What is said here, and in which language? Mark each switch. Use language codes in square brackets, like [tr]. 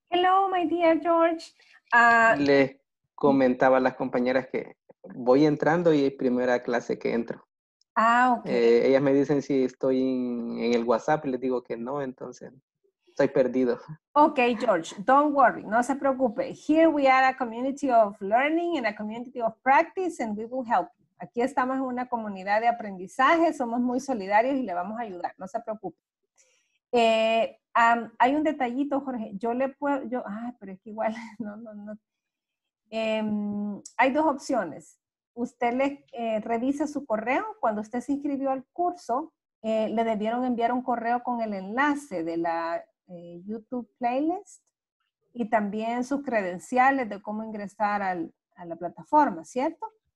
[en] Hello, my dear George. [es] Les comentaba a las compañeras que voy entrando y es primera clase que entro. Ah, ok. Ellas me dicen si estoy en el WhatsApp y les digo que no, entonces estoy perdido. [en] Ok, George, don't worry, [es] no se preocupe. [en] Here we are a community of learning and a community of practice and we will help. [es] Aquí estamos en una comunidad de aprendizaje, somos muy solidarios y le vamos a ayudar, no se preocupe. Hay un detallito, Jorge, yo le puedo, yo, ay, pero es que igual, no. Hay dos opciones. Usted le revisa su correo, cuando usted se inscribió al curso, le debieron enviar un correo con el enlace de la YouTube playlist y también sus credenciales de cómo ingresar a la plataforma, ¿cierto?